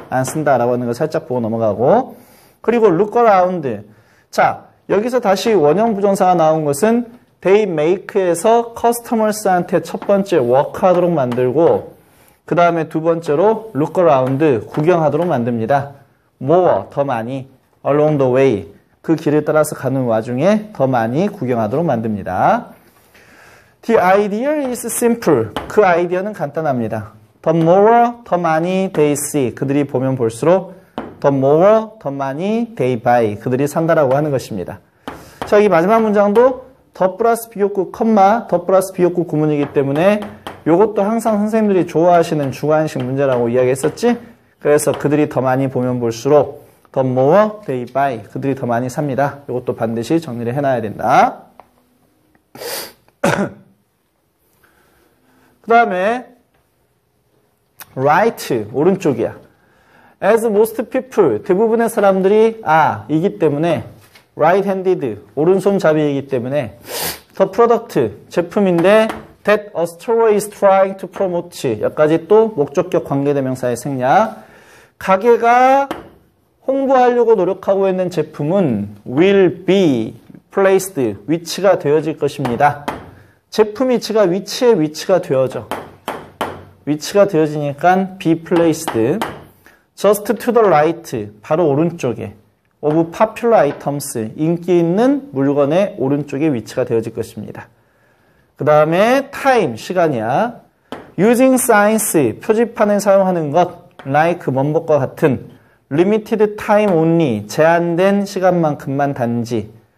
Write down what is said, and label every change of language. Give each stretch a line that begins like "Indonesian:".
Korean: 안 쓴다 라고 하는 걸 살짝 보고 넘어가고 그리고 look around. 자, 여기서 다시 원형 부정사가 나온 것은 they make에서 customers한테 첫 번째 walk 하도록 만들고 그 다음에 두 번째로 look around, 구경하도록 만듭니다.
English: more,
Korean: 더 많이,
English: along the way.
Korean: 그 길을 따라서 가는 와중에 더 많이 구경하도록 만듭니다.
English: The idea is simple.
Korean: 그 아이디어는 간단합니다.
English: The more,
Korean: 더 많이
English: they see.
Korean: 그들이 보면 볼수록 the more, 더 많이
English: they buy.
Korean: 그들이 산다라고 하는 것입니다. 자, 여기 마지막 문장도 더 플러스 비교급, 콤마, 더 플러스 비교급 구문이기 때문에 이것도 항상 선생님들이 좋아하시는 주관식 문제라고 이야기했었지? 그래서 그들이 더 많이 보면 볼수록
English: The more they buy.
Korean: 그들이 더 많이 삽니다. 이것도 반드시 정리를 해놔야 된다. 그 다음에 right, 오른쪽이야.
English: As most people,
Korean: 대부분의 사람들이 아, 이기 때문에
English: right-handed,
Korean: 오른손잡이이기 때문에
English: The product, 제품인데 that a store is trying to promote.
Korean: 여기까지 또 목적격 관계대명사의 생략. 가게가 홍보하려고 노력하고 있는 제품은
English: will be placed,
Korean: 위치가 되어질 것입니다. 제품 위치가 위치에 위치가 되어져. 위치가 되어지니까 be placed.
English: Just to the right,
Korean: 바로 오른쪽에.
English: Of popular items,
Korean: 인기 있는 물건의 오른쪽에 위치가 되어질 것입니다. 그 다음에 time, 시간이야.
English: Using signs,
Korean: 표지판을 사용하는 것, like, 뭔것과 같은.
English: Limited time only,
Korean: 제한된 시간만큼만 단지.